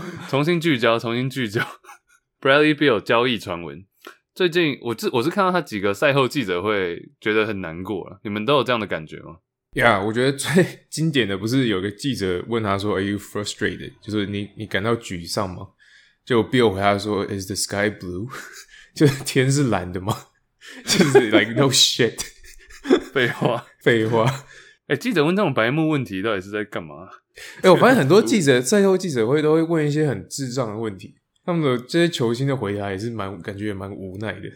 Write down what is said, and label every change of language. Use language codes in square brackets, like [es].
[zh] 重新聚焦。 Bradley Beal 交易传闻，最近我是看到他几个赛后记者会，觉得很难过了。你们都有这样的感觉吗？ [en] Yeah， [zh] 我觉得最经典的不是有个记者问他说 ： [en] “Are you frustrated？” [zh] 就是你感到沮丧吗？就 Beal 回答说 ： [en] “Is the sky blue？” [zh] 就是天是蓝的吗？就是 [en] like no shit， [zh] 废话。欸，记者问这种白目问题到底是在干嘛？欸，我发现很多记者赛后记者会都会问一些很智障的问题，他们的这些球星的回答也是蛮感觉也蛮无奈的。